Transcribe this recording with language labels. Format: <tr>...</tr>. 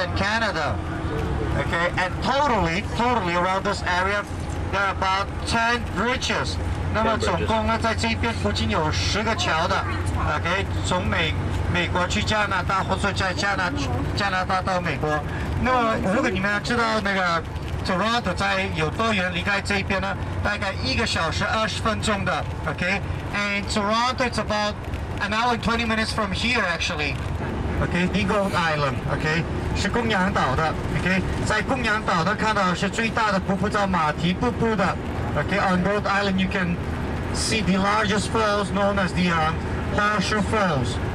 <en>and Canada, okay, and totally around this area, there are about 10 bridges,</en> <zh>那么总共呢，在这边附近有10个桥的 ，OK， 从美国去加拿大，或者在加拿大到美国。那么如果你们知道那个 Toronto 在有多远离开这边呢？大概1小时20分钟的 ，OK。</zh> <en>And Toronto is about an hour and 20 minutes from here, actually.</en> <zh>OK, Eagle Island. OK， 是公羊岛的。 OK， 在公羊岛的看到是最大的瀑布，叫马蹄瀑布的。</zh> <en>Okay, on Rhode Island, you can see the largest falls known as the Horseshoe Falls.</en>